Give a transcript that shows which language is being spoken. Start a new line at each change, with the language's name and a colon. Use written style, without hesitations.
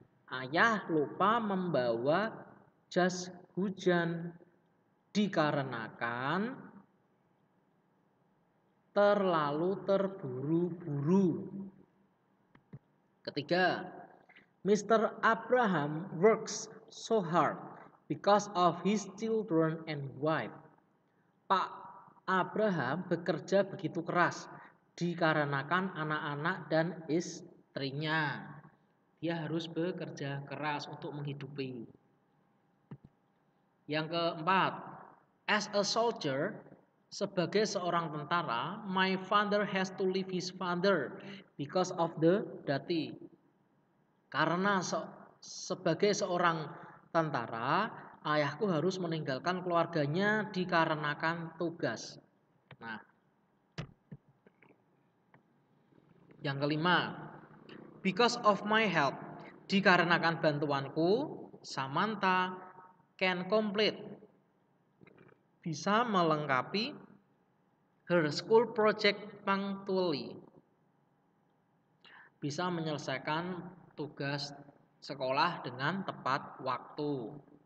Indonesian: Ayah lupa membawa jas hujan dikarenakan terlalu terburu-buru. Ketiga, Mr. Abraham works so hard because of his children and wife. Pak Abraham bekerja begitu keras dikarenakan anak-anak dan istrinya. Dia harus bekerja keras untuk menghidupi. Yang keempat,
English: as a soldier,
Indonesian: sebagai seorang tentara,
English: my father has to leave his father because of the dirty.
Indonesian: Karena sebagai seorang tentara, ayahku harus meninggalkan keluarganya dikarenakan tugas. Nah, yang kelima,
English: because of my help,
Indonesian: dikarenakan bantuanku,
English: Samantha can complete,
Indonesian: bisa melengkapi
English: her school project punctually,
Indonesian: bisa menyelesaikan tugas sekolah dengan tepat waktu.